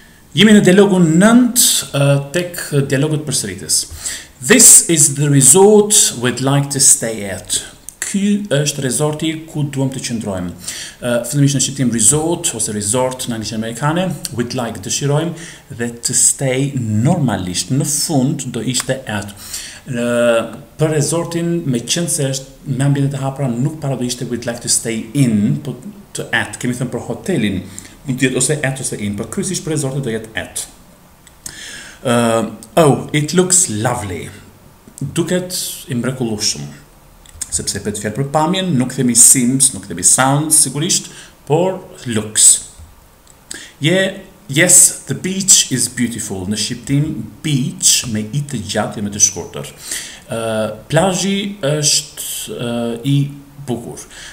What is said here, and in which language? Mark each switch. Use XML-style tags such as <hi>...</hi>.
<sq>Jemi në dialogu 9 tek dialogut përsëritës.</sq> <en>This is the resort we'd like to stay at.</en> <sq>Ky është resorti ku duam të qëndrojmë. Fillimisht në shqiptim resort ose resort në anglisht amerikane,</sq> <en>we'd like</en> <sq>të shirojmë dhe</sq> <en>to stay</en> <sq>normalisht në fund do ishte at. Për resortin me qëndë se është me ambjente hapra nuk para do ishte</sq> <en>we'd like to stay in,</en> <sq>po to at, kemi thëmë për hotelin. Mund të jetë ose at ose in, për kryesisht për resortin do jetë at.</sq> <en>Oh, it looks lovely.</en> <sq>Duket I mrekullueshëm. Sepse për të fjallë për pamjen, nuk themi seems, nuk themi sounds, sigurisht, por looks.</sq> <en>Yeah, yes, the beach is beautiful.</en> <sq>Në shqiptim, beach me I të gjatë dhe me të shkurtër. Plazhi është I bukur.</sq>